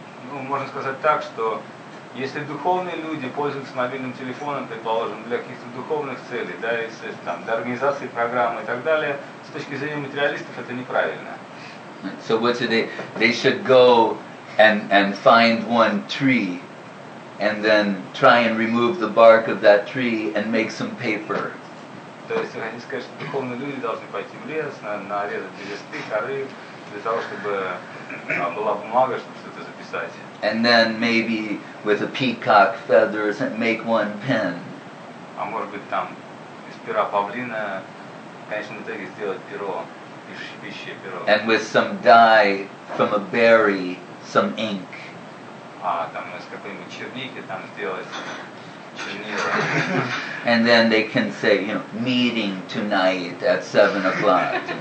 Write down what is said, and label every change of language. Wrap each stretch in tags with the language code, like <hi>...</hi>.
<ru>Можно сказать так, что если духовные люди пользуются мобильным телефоном, предположим, для каких-то духовных целей, да, если там, для организации программы и так далее, с точки зрения материалистов это неправильно.</ru> <en>So what should they should go and find one tree and then try and remove the bark of that tree and make some paper.</en> <ru>То есть, они сказали, что духовные люди должны пойти в лес, нарезать листы, коры, для того, чтобы была бумага, чтобы что-то записать.</ru> <en>And then maybe with a peacock feathers and make one pen.</en> <ru>А может быть там из пера павлина, в конечном итоге сделать перо, пишущее перо.</ru> <en>And with some dye from a berry, some ink.</en> <ru>А там из какой-нибудь черники там сделать</ru> <en>And then they can say, you know, meeting tonight at 7 o'clock.</en>